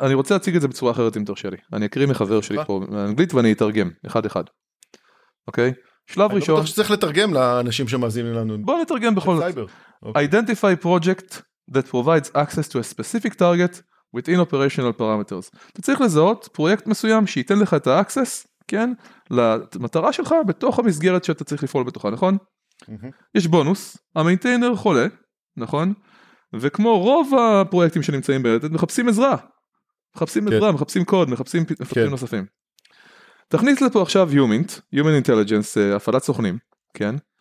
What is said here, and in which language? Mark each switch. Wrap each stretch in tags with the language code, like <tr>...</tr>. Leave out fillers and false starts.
<he>אני רוצה להציג את זה בצורה אחרת אם תרשה לי. אני אקריא מחבר שלי פה באנגלית ואני אתרגם. אחד אחד. אוקיי? שלב ראשון. אני לא בטוח שצריך לתרגם לאנשים שמאזינים לנו. בוא נתרגם בכל זאת.</he> <en>Identify project that provides access to a specific target within operational parameters.</en> <he>אתה צריך לזהות פרויקט מסוים שייתן לך את האקסס, כן? למטרה שלך בתוך המסגרת שאתה צריך לפעול בתוכה, נכון? יש בונוס. המיינטיינר חולה, נכון? וכמו רוב הפרויקטים שנמצאים בידת, מחפשים עזרה. מחפשים עזרה, מחפשים קוד, מחפשים מפתחים נוספים. תכניס לפה עכשיו יומינט, Human Intelligence, הפעלת סוכנים, כן?</he>